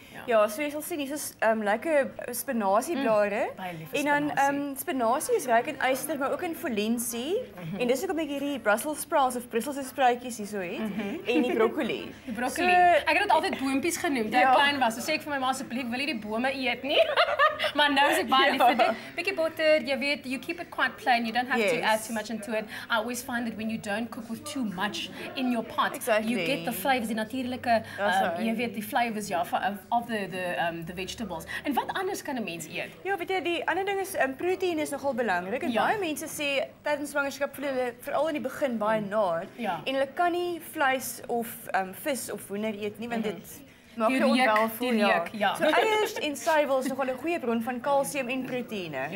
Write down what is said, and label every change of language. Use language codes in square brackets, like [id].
[af] Ja, so jy sal sien hier is lekker spinasieblare. En dan spinasie is ryk in yster, maar ook in folensie. En dis ook 'n bietjie hierdie Brussels sprouts of Brusselse spruitjies hier so het en die broccoli. So, ek het dit altyd boontjies genoem toe ek klein was. So sê ek vir my ma asseblief, wil jy die bome eet nie? Maar nou is ek baie lief vir dit. [en] Bietjie botter, jy weet, you keep it quite plain. You don't have to add too much into it. I always find that when you don't cook with too much in your pot, you get the flavors, die natuurlike jy weet die flavors of the vegetables. [af] En wat anders kan 'n mens eet? Ja, weet jy, die ander ding is proteïen is nogal belangrik. En baie mense sê tydens swangerskap voel hulle veral in die begin baie naar en hulle kan nie vleis of vis of hoender eet nie want dit maak jou onwel voel. Ja. So eiers en suiwel is nogal 'n goeie bron van kalsium en proteïene.